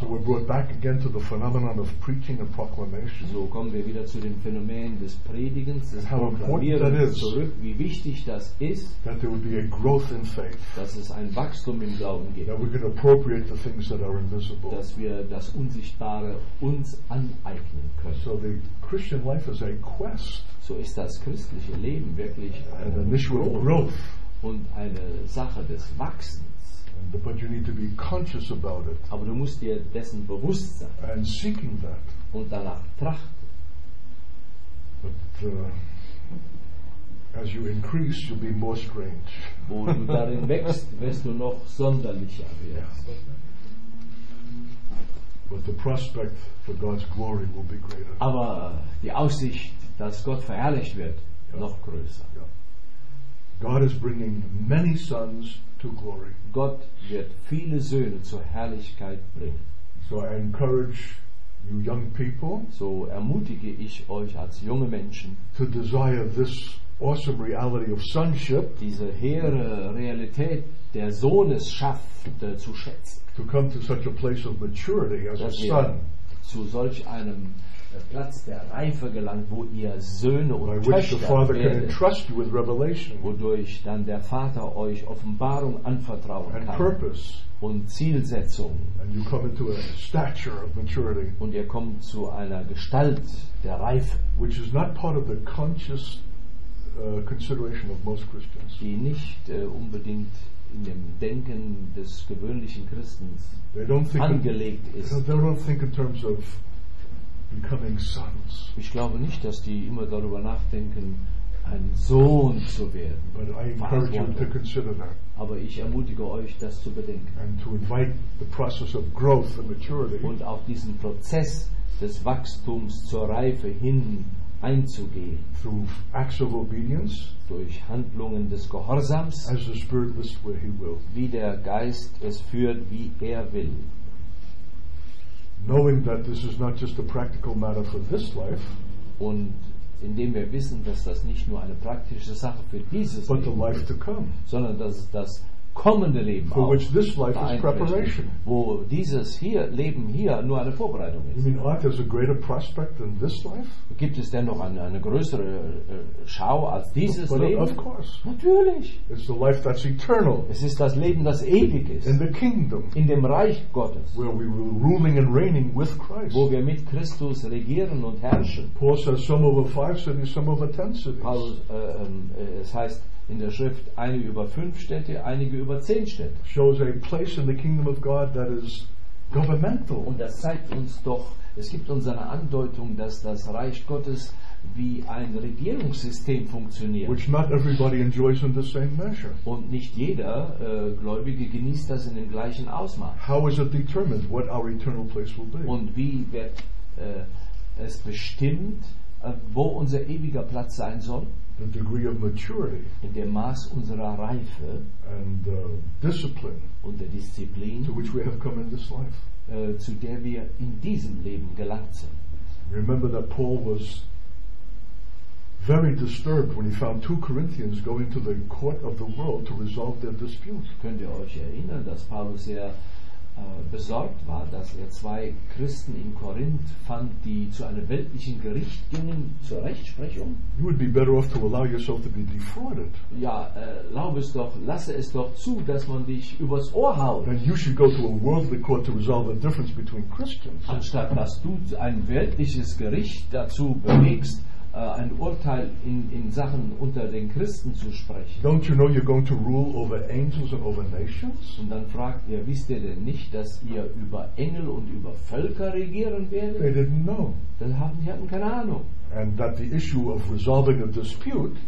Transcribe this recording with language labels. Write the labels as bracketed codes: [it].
[en] So we're brought back again to the phenomenon of preaching and proclamation. [de] So kommen wir wieder zu dem Phänomen des Predigens, des Proklamierens zurück. Wie wichtig das ist. [en] That there would be a growth in faith. [de] Dass es ein Wachstum im Glauben gibt. [en] That we can appropriate the things that are invisible. [de] Dass wir das Unsichtbare uns aneignen können. [en] So the Christian life is a quest. [de] So ist das christliche Leben wirklich [en] an initial growth. [de] Und eine Sache des Wachsens. [en] But you need to be conscious about it. [de] Aber du musst dir dessen bewusst sein. [en] And seeking that. [de] Und danach trachten. [en] But as you increase, you'll be more strange. [de] Wo du darin wächst, wirst du noch sonderlicher werden. [en] Yeah. But the prospect for God's glory will be greater. [de] Aber die Aussicht, dass Gott verherrlicht wird, yeah, noch größer. [en] Yeah. God is bringing many sons to glory. [de] Gott wird viele Söhne zur Herrlichkeit bringen. [en] So I encourage you young people. [de] So ermutige ich euch als junge Menschen. [en] To desire this awesome reality of sonship. [de] Diese hehre Realität der Sohnesschaft zu schätzen. [en] To come to such a place of maturity as a son. [de] Zu solch einem der Platz der Reife gelangt, wo ihr Söhne und Töchter werdet, wodurch dann der Vater euch Offenbarung anvertrauen kann [en] purpose, [de] und Zielsetzung [en] and you come into a stature of maturity, [de] und ihr kommt zu einer Gestalt der Reife, [en] which is not part of the conscious consideration of most Christians, [de] die nicht unbedingt in dem Denken des gewöhnlichen Christens angelegt ist. [en] They don't think in terms of becoming sons. [de] Ich glaube nicht, dass die immer darüber nachdenken, ein Sohn zu werden. [en] But I encourage you to consider that. [de] Aber ich ermutige euch, das zu bedenken. [en] And to invite the process of growth and maturity. [de] Und auch diesen Prozess des Wachstums zur Reife hin einzugehen. [en] Through acts of obedience. [de] Durch Handlungen des Gehorsams. [en] As the Spirit lists where he will. [de] Wie der Geist es führt, wie er will. [en] Knowing that this is not just a practical matter for this life, [de] und indem wir wissen, dass das nicht nur eine praktische Sache für dieses [en] but the life to come, [de] sondern dass es das kommende Leben [en] for which this life is preparation, [de] wo dieses hier Leben hier nur eine Vorbereitung ist. [en] You mean, aren't there a greater prospect than this life? [de] Gibt es denn noch eine größere Schau als dieses [en] but [de] Leben? [en] Of course, [de] natürlich. [en] It's the life that's eternal. [de] Es ist das Leben, das ewig ist. [en] In the kingdom, [de] in dem Reich Gottes, [en] where we will ruling and reigning with Christ, [de] wo wir mit Christus regieren und herrschen. [en] Paul says some over 5 cities, some over 10 cities. [de] Paul, es heißt in der Schrift, einige über 5 Städte, einige über 10 Städte. [en] Shows a place in the kingdom of God that is governmental. [de] Und das zeigt uns doch, es gibt uns eine Andeutung, dass das Reich Gottes wie ein Regierungssystem funktioniert. [en] Which not everybody enjoys in the same measure. [de] Und nicht jeder Gläubige genießt das in dem gleichen Ausmaß. [en] How is it determined what our eternal place will be? [de] Und wie wird es bestimmt, wo unser ewiger Platz sein soll? [en] The degree of maturity, [de] in dem Maß unserer Reife [en] and discipline, [de] und der Disziplin, [en] to which we have come in this life, [de] zu der wir in diesem Leben gelangt sind. [en] Remember that Paul was very disturbed when he found two Corinthians going to the court of the world to resolve their dispute. [de] Könnt ihr euch erinnern, dass Paulus sehr besorgt war, dass er zwei Christen in Korinth fand, die zu einem weltlichen Gericht gingen, zur Rechtsprechung? [en] You would be better off to allow yourself to be defrauded. [de] Ja, lasse es doch zu, dass man dich übers Ohr haut. [en] And you should go to a worldly court to resolve the difference between Christians. [de] Anstatt dass du ein weltliches Gericht dazu bewegst, ein Urteil in Sachen unter den Christen zu sprechen. [en] Don't you know you're going to rule over angels and over nations? [de] Und dann fragt ihr, wisst ihr denn nicht, dass ihr über Engel und über Völker regieren werdet? [en] They didn't know. [de] Dann hatten die keine Ahnung. [en] And that the issue of resolving a dispute,